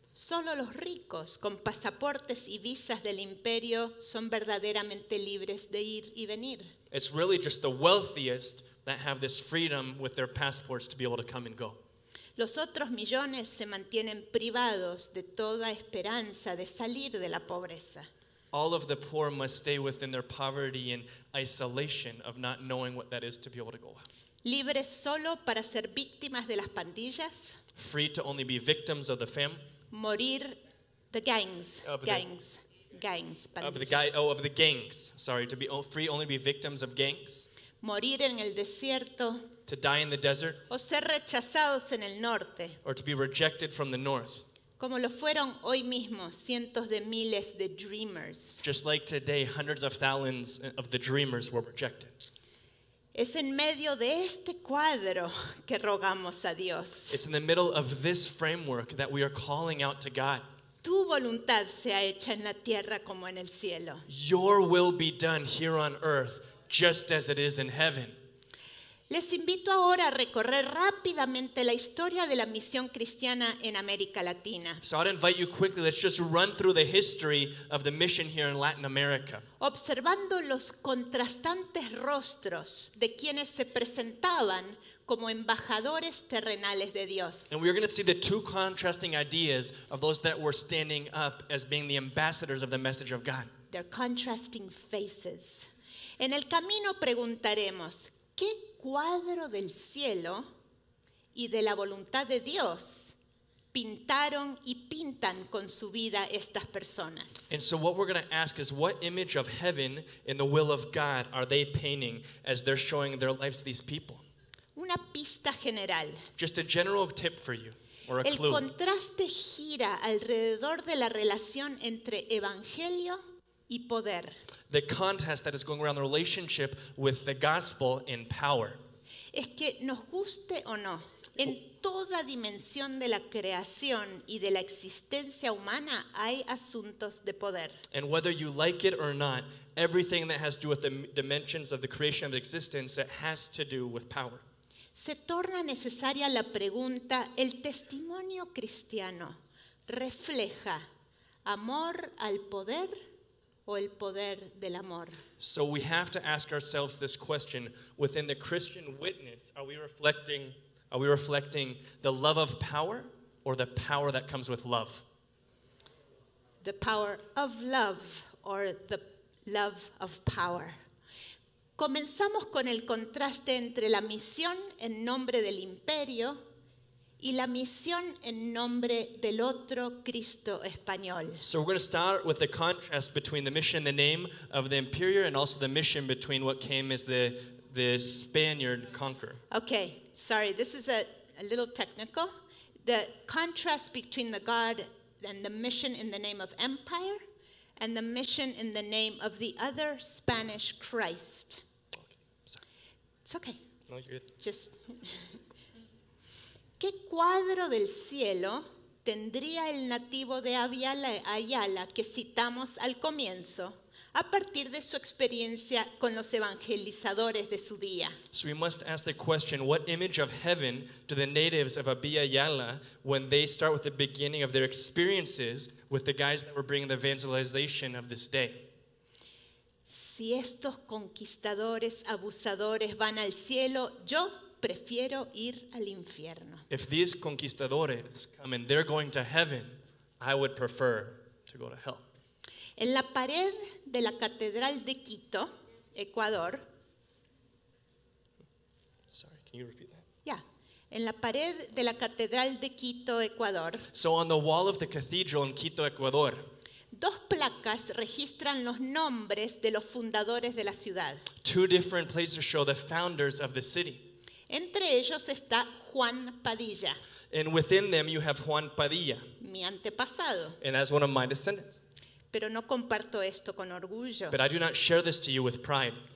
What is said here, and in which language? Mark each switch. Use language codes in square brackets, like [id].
[es] Solo los ricos con pasaportes y visas del imperio son verdaderamente libres de ir y venir. [en] It's really just the wealthiest that have this freedom with their passports to be able to come and go. [es] Los otros millones se mantienen privados de toda esperanza de salir de la pobreza. [en] All of the poor must stay within their poverty and isolation of not knowing what that is to be able to go out. [es] Libres solo para ser víctimas de las pandillas. [en] Free to only be victims of the family. [es] Morir [en] the gangs. Of gangs. The, gangs. Of the guy, oh, of the gangs. Sorry, to be free, only be victims of gangs. [es] Morir en el desierto. [en] To die in the desert. [es] O ser rechazados en el norte. [en] Or to be rejected from the north. [es] Como lo fueron hoy mismo cientos de miles de dreamers. [en] Just like today, hundreds of thousands of the dreamers were rejected. [es] Es en medio de este cuadro que rogamos a Dios. [en] It's in the middle of this framework that we are calling out to God. [es] Tu voluntad sea hecha en la tierra como en el cielo. [en] Your will be done here on earth just as it is in heaven. [es] Les invito ahora a recorrer rápidamente la historia de la misión cristiana en América Latina. [en] So I'd invite you quickly, let's just run through the history of the mission here in Latin America. [es] Observando los contrastantes rostros de quienes se presentaban como embajadores terrenales de Dios. [en] And we're going to see the two contrasting ideas of those that were standing up as being the ambassadors of the message of God. Their contrasting faces. [es] En el camino preguntaremos, ¿qué cuadro del cielo y de la voluntad de Dios pintaron y pintan con su vida estas personas? [en] And so what we're going to ask is, what image of heaven and the will of God are they painting as they're showing their lives to these people? [es] Una pista general. [en] Just a general tip for you, or a [es] el [en] clue. [es] El contraste gira alrededor de la relación entre evangelio y poder. [en] The contest that is going around the relationship with the gospel and power. [es] Es que nos guste o no, en toda dimensión de la creación y de la existencia humana hay asuntos de poder. [en] And whether you like it or not, everything that has to do with the dimensions of the creation of existence, it has to do with power. [es] Se torna necesaria la pregunta, ¿el testimonio cristiano refleja amor al poder o el poder del amor? [en] So we have to ask ourselves this question, within the Christian witness, are we reflecting the love of power or the power that comes with love? The power of love or the love of power. [es] Comenzamos con el contraste entre la misión en nombre del imperio y la misión en nombre del otro Cristo español. [en] So we're going to start with the contrast between the mission in the name of the imperial and also the mission between what came as the Spaniard conqueror. Okay, sorry, this is a little technical. The contrast between the God and the mission in the name of empire and the mission in the name of the other Spanish Christ. It's okay. No, you're good. Just... [es] ¿Qué cuadro del cielo tendría el nativo de Ayala que citamos al comienzo a partir de su experiencia con los evangelizadores de su día? [en] So we must ask the question, what image of heaven do the natives of Ayala, when they start with the beginning of their experiences with the guys that were bringing the evangelization of this day? [es] Si estos conquistadores abusadores van al cielo, yo prefiero ir al infierno. [en] If these conquistadores come and they're going to heaven, I would prefer to go to hell. [es] En la pared de la Catedral de Quito, Ecuador. [en] Sorry, can you repeat that? [es] Yeah. En la pared de la Catedral de Quito, Ecuador. [en] So on the wall of the cathedral in Quito, Ecuador. [es] Dos placas registran los nombres de los fundadores de la ciudad. [en] Two different places show the founders of the city. [es] Entre ellos está Juan Padilla. [en] And within them you have Juan Padilla. [es] Mi antepasado. [en] And that's one of my descendants. [es] Pero no comparto esto con orgullo. [en] But I do not share this to you with pride.